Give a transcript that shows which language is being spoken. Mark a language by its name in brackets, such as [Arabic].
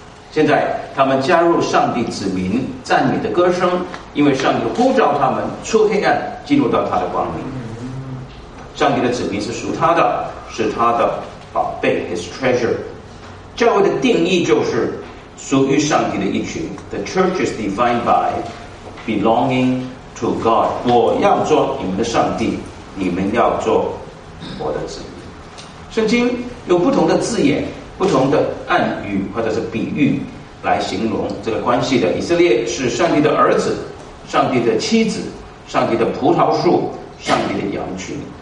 [Chinese] 现在他们加入上帝子民赞美的歌声，因为上帝呼召他们出黑暗进入到他的光明。上帝的子民是属他的，是他的宝贝 [English] His treasure。 [Chinese] 教会的定义就是属于上帝的一群。 [English] The church is defined by belonging to God。 [Chinese] 我要做你们的上帝，你们要做我的子民。圣经有不同的字眼，不同的暗语或者是比喻来形容这个关系的。以色列是上帝的儿子，上帝的妻子，上帝的葡萄树，上帝的羊群。